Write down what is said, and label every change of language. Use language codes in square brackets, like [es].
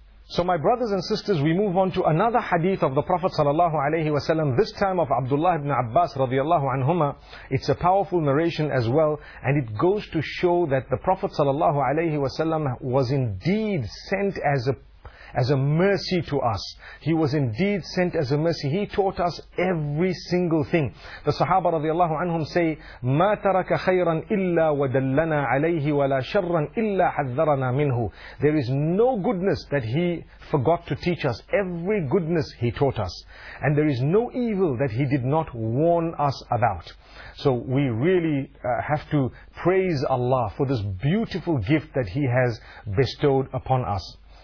[en] So my brothers and sisters, we move on to another hadith of the Prophet sallallahu alayhi wa sallam, this time of Abdullah ibn Abbas radiallahu anhuma. It's a powerful narration as well, and it goes to show that the Prophet sallallahu alayhi wa sallam was indeed sent as a mercy to us. He was indeed sent as a mercy. He taught us every single thing. The Sahaba radiallahu anhum say, [ar] مَا تَرَكَ خَيْرًا إِلَّا وَدَلَّنَا عَلَيْهِ وَلَا شَرًّا إِلَّا حَذَّرَنَا مِنْهُ. [en] There is no goodness that he forgot to teach us. Every goodness he taught us. And there is no evil that he did not warn us about. So we really have to praise Allah for this beautiful gift that he has bestowed upon us.